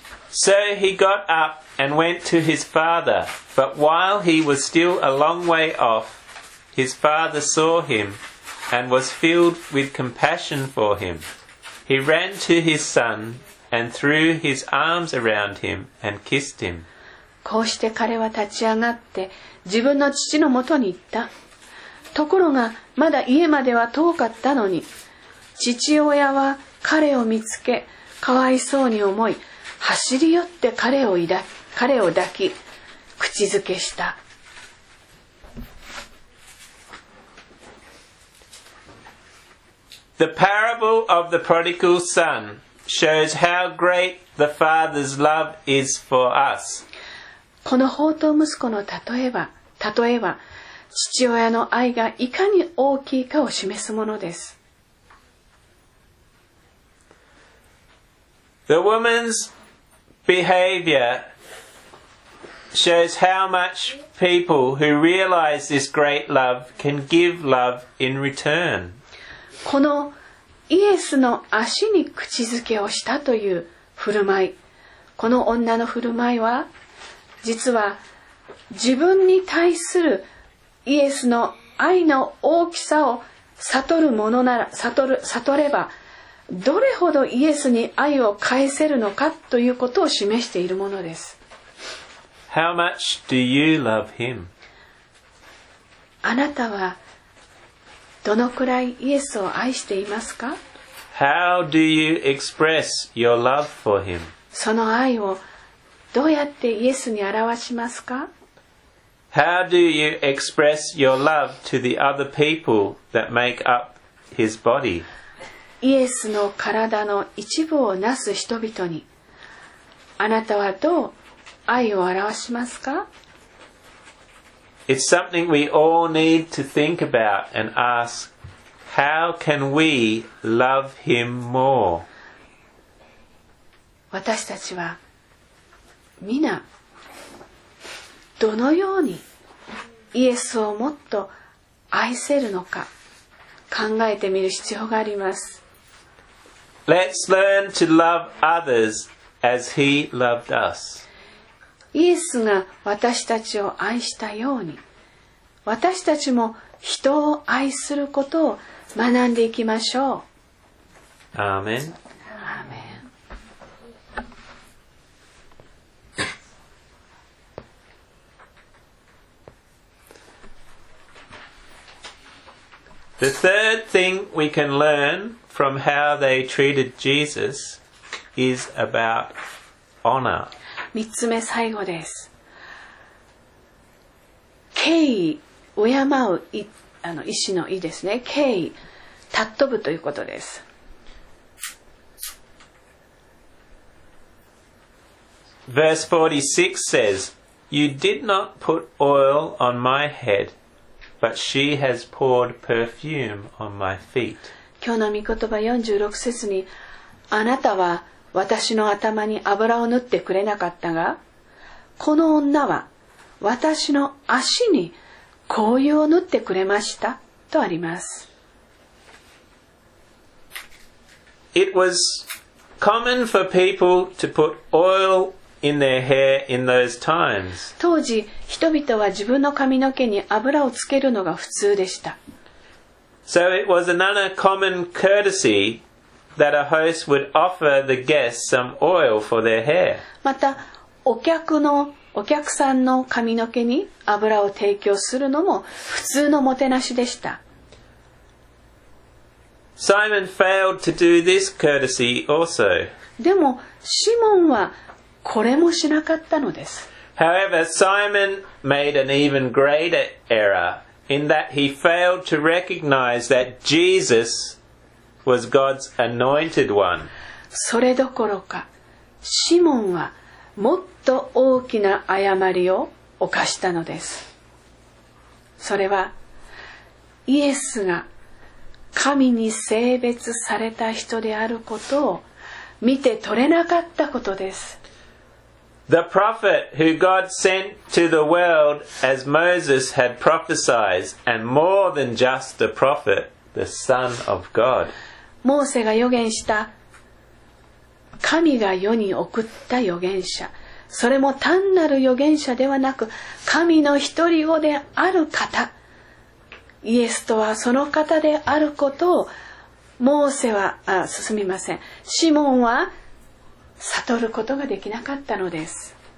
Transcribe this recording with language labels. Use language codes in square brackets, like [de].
[en] So he got up and went to his father, but while he was still a long way off, his father saw him and was filled with compassion for him. He ran to his son and threw his arms around him and kissed him. [ja] こうして彼は立ち上がって自分の父のもとに行った。ところがまだ家までは遠かったのに、父親は彼を見つけかわいそうに思い、走り寄って彼を抱き、口づけした。 [en] The parable of the prodigal son shows how great the father's love is for us. [ja] この放蕩息子の例えは、父親の愛がいかに大きいかを示すものです。 [en] The woman'sBehavior shows how much people who realize this great love can give love in return. [ja] このイエスの足に口づけをしたという振る舞い、この女の振る舞いは、実は自分に対するイエスの愛の大きさを悟ればどれほどイエスに愛を返せるのかということを示しているものです。 [en] How much do you love him? [ja] あなたはどのくらいイエスを愛していますか? [en] How do you express your love for him? [ja] その愛をどうやってイエスに表しますか? [en] How do you express your love to the other people that make up his body? [ja] イエスの体の一部をなす人々に、あなたはどう愛を表しますか? [en] It's something we all need to think about and ask, how can we love him more? [ja] 私たちは皆、どのようにイエスをもっと愛せるのか考えてみる必要があります。 [en] Let's learn to love others as he loved us. [ja] イエスが私たちを愛したように、私たちも人を愛することを学んでいきましょう。アーメン。アーメン。 [en] The third thing we can learnfrom how they treated Jesus is about honor. [ja] 3つ目最後です。敬意、敬う、意思の意ですね。敬意、たっ飛ぶということです。 [en] Verse 46 says, You did not put oil on my head, but she has poured perfume on my feet. [ja] 今日の御言葉46節に、あなたは私の頭に油を塗ってくれなかったが、この女は私の足に香油を塗ってくれましたとあります。 [en] It was common for people to put oil in their hair in those times. [ja] 当時、人々は自分の髪の毛に油をつけるのが普通でした。 [en] So it was another common courtesy that a host would offer the guests some oil for their hair. [ja] また、お客の、お客さんの髪の毛に油を提供するのも普通のもてなしでした。 [en] Simon failed to do this courtesy also. [ja] でも、シモンはこれもしなかったのです。 [en] However, Simon made an even greater error in that he failed to recognize that Jesus was God's anointed one. [ja] それどころか、シモンはもっと大きな誤りを犯したのです。それは、イエスが神に聖別された人であることを見て取れなかったことです。 [en] The prophet who God sent to the world as Moses had prophesied, and more than just the prophet, the Son of God. [ja] モーセが預言した神が世に送った預言者、それも単なる預言者ではなく神の一人子である方、イエスとはその方であることをモーセは、進みません、シモンは悟ることができなかったのです。